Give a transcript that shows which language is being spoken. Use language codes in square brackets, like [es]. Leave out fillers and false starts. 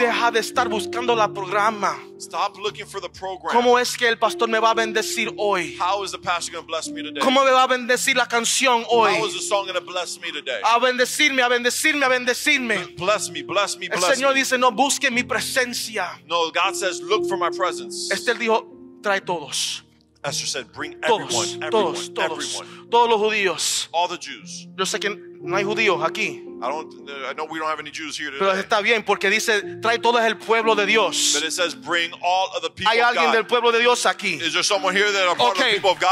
[es] Deja de estar buscando la programa. [en] Stop looking for the program. [es] ¿Cómo es que el pastor me va a bendecir hoy? [en] How is the pastor going to bless me today? [es] ¿Cómo me va a bendecir la canción hoy? [en] How is the song going to bless me today? [es] A bendecirme. [en] Bless me. [es] El Señor dice, no, busque mi presencia. [en] No, God says, look for my presence. [es] Esther dijo, trae todos. [en] Esther said, bring everyone. [es] Todos los judíos. [en] All the Jews. [es] Yo sé que no hay judíos aquí. [en] I know we don't have any Jews here today. [es] Pero está bien, porque dice, trae todo el pueblo de Dios. [en] But it says, bring all of the people of God. [es] ¿Hay alguien del pueblo de Dios aquí? [en] Is there someone here that are part of the people of God?